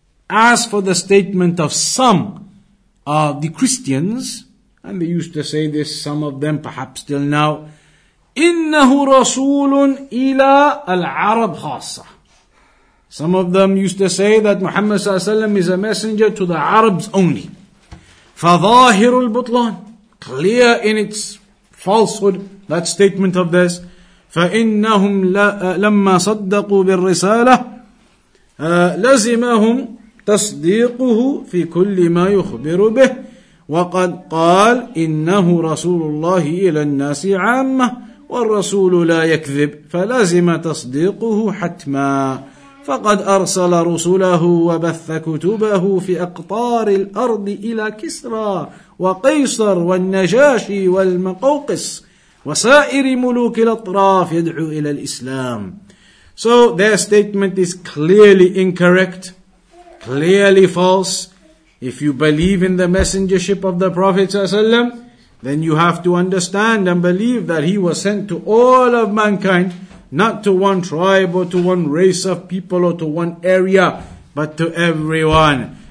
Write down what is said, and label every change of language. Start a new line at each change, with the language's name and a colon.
English: As for the statement of some of the Christians, and they used to say this, some of them perhaps still now,
Arabic: إِنَّهُ رَسُولٌ إِلَىٰ الْعَرَبْ خَاصَّةٌ.
English: Some of them used to say that Muhammad صلى الله عليه وسلم is a messenger to the Arabs only.
Arabic: فَظَاهِرُ الْبُطْلَانِ.
English: Clear in its falsehood, that statement of this.
Arabic: فَإِنَّهُمْ لَمَّا صَدَّقُوا بِالرِّسَالَةِ لَزِمَهُمْ تَصْدِيقُهُ فِي كُلِّ مَا يُخْبِرُ بِهِ وَقَدْ قَالْ إِنَّهُ رَسُولُ اللَّهِ إِلَى النَّاسِ عَامَّةِ والرسول لا يكذب فلازم تصديقه حتما فقد أرسل رسله وبث كتبه في أقطار الأرض إلى كسرى وقيصر والنجاشي والمقوقس وسائر ملوك الأطراف يدعو إلى الإسلام.
English: So their statement is clearly incorrect, clearly false. If you believe in the messengership of the Prophet ﷺ, then you have to understand and believe that he was sent to all of mankind, not to one tribe or to one race of people or to one area, but to everyone.